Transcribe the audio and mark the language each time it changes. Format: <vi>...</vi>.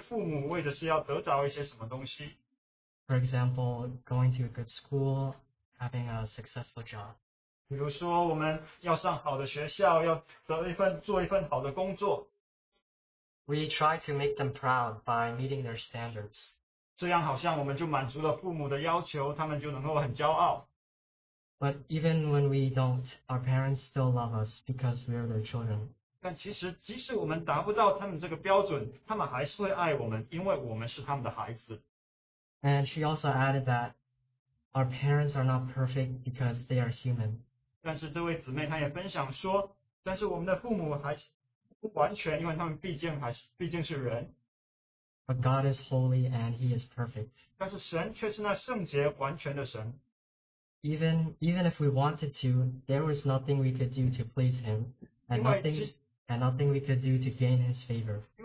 <zh>他就分享说，有时候我们好像要取悦父母，为的是要得着一些什么东西.</zh> <en>For example, going to a good school, having a successful job.</en> <zh>比如说，我们要上好的学校，要得一份做一份好的工作.</zh> <en>We try to make them proud by meeting their standards.</en> <zh>这样好像我们就满足了父母的要求，他们就能够很骄傲.</zh> <en>But even when we don't, our parents still love us because we are their children.</en> <zh>但其实即使我们达不到他们这个标准，他们还是会爱我们，因为我们是他们的孩子.</zh> <en>And she also added that our parents are not perfect because they are human.</en> <zh>但是这位姊妹她也分享说，但是我们的父母还不完全，因为他们毕竟是人。</zh> <en>But God is holy and he is perfect. Even if we wanted to, there was nothing we could do to please him, and nothing we could do to gain his favor.</en>